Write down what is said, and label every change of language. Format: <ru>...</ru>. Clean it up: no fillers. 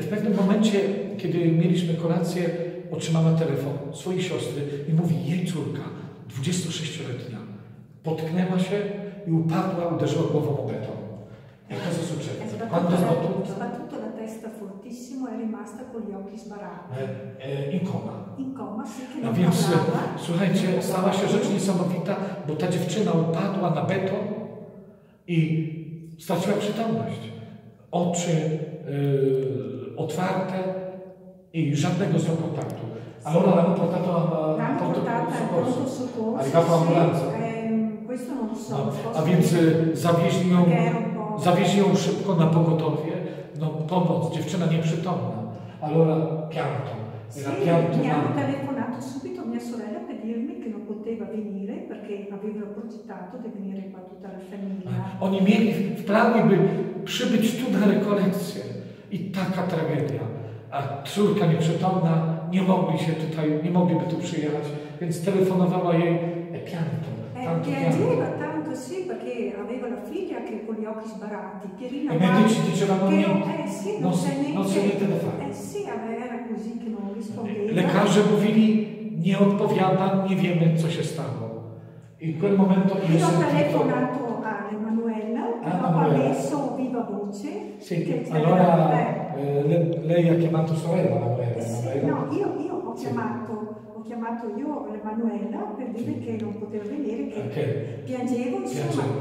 <pl>W pewnym momencie, kiedy mieliśmy kolację, otrzymała telefon swojej siostry i mówi, jej córka, 26-letnia, potknęła się i upadła, uderzyła głową o beton. Jak to zasłyszę?</pl> <it>Zbattuto la testa fortissimo, è rimasta con gli occhi sbarrati. In coma, sì, che non parlava.</it> <pl>Słuchajcie, stała się rzecz niesamowita, bo ta dziewczyna upadła na beton i straciła przytomność. Oczy otwarte i żadnego z nią kontaktu.</pl> <it>Allora l'hanno portato al pronto soccorso. Ambulanza. Questo non lo so.</it> <pl>Zawieźli ją szybko na pogotowie. No pomoc, dziewczyna nieprzytomna.</pl> <it>Allora pianto. Mi hanno telefonato subito mia sorella per dirmi che non poteva venire perché aveva progettato di venire qua tutta la famiglia.</it> <pl>Oni mieli w planie, by przybyć tu na rekolekcję. I taka tragedia. A córka nieprzytomna, nie mogliby tu przyjechać, więc telefonowała jej pianto.</pl> <it>Piangeva tanto, sì, perché aveva la figlia che con gli occhi sbarrati. Pierina, i medici dicevano che non c'è niente da fare. Sì, era così che non rispondeva.</it> <pl>Lekarze mówili, nie odpowiada, nie wiemy co się stało.</pl> <it>In quel momento io ho telefonato a Emanuela, che ha messo viva voce. Sì, allora lei ha chiamato sorella Emanuela. Io ho chiamato io Emanuela per dire che non poteva venire, che piangevo insomma.</it>